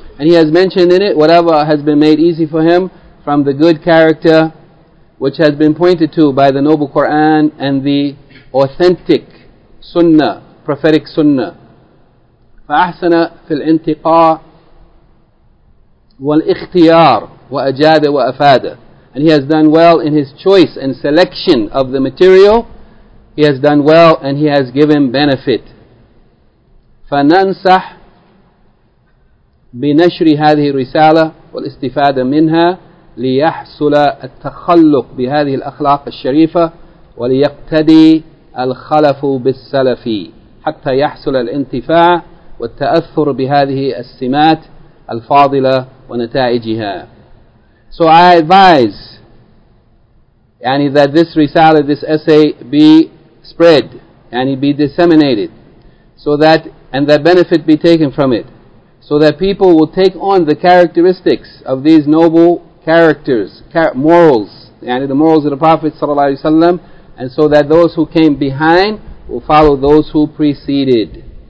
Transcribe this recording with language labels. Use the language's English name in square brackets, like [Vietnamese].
[English] And he has mentioned in it whatever has been made easy for him from the good character which has been pointed to by the noble Qur'an and the authentic sunnah, prophetic sunnah. [Arabic] فَأَحْسَنَ فِي الْإِنْتِقَاء والاختيار وأجاد وأفاد. [English] And he has done well in his choice and selection of the material. He has done well and he has given benefit. [Arabic] فننصح بنشر هذه الرسالة والاستفادة منها ليحصل التخلق بهذه الأخلاق الشريفة وليقتدي الخلف بالسلفي حتى يحصل الانتفاع والتأثر بهذه السمات الفاضلة ونتائجها. [English] So I advise, yani, that this risala, this essay, be spread, yani be disseminated, so that, and that benefit be taken from it, so that people will take on the characteristics of these noble characters, morals, yani the morals of the Prophet sallallahu alaihi wasallam, and so that those who came behind will follow those who preceded.